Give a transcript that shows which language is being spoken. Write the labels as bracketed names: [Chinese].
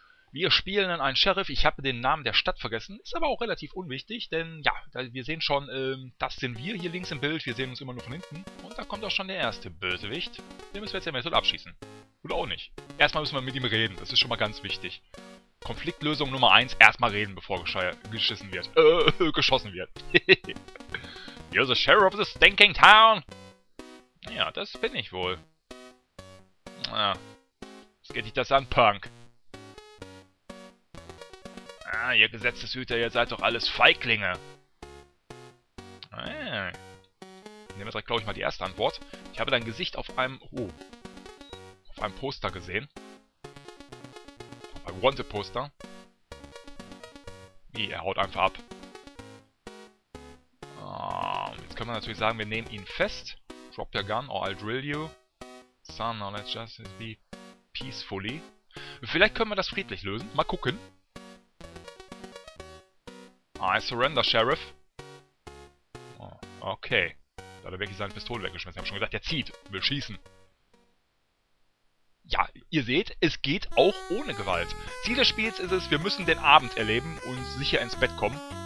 [German] Wir spielen in einen Sheriff. Ich habe den Namen der Stadt vergessen. Ist aber auch relativ unwichtig, denn ja, wir sehen schon, das sind wir hier links im Bild. Wir sehen uns immer nur von hinten. Und da kommt auch schon der erste Bösewicht. Den müssen wir jetzt ja mal abschießen. Oder auch nicht. Erstmal müssen wir mit ihm reden. Das ist schon mal ganz wichtig. Konfliktlösung Nummer 1, erstmal reden, bevor geschossen wird. Geschossen wird. [English] You're the sheriff of the stinking town! [German] Ja, das bin ich wohl. Ja. Was geht dich das an, Punk? Ah, ihr Gesetzeshüter, ihr seid doch alles Feiglinge. Ah. Nehmen wir direkt, glaube ich, mal die erste Antwort. Ich habe dein Gesicht auf einem. Oh. Auf einem Poster gesehen. Wanted-Poster. Wie, er haut einfach ab. Jetzt können wir natürlich sagen, wir nehmen ihn fest. [English] Drop your gun or I'll drill you. Son, now let's just be peacefully. [German] Vielleicht können wir das friedlich lösen. Mal gucken. [English] I surrender, Sheriff. Oh, okay. [German] Da hat er wirklich seine Pistole weggeschmissen. Ich habe schon gesagt, er zieht. Wir schießen. Ja, ihr seht, es geht auch ohne Gewalt. Ziel des Spiels ist es, wir müssen den Abend erleben und sicher ins Bett kommen.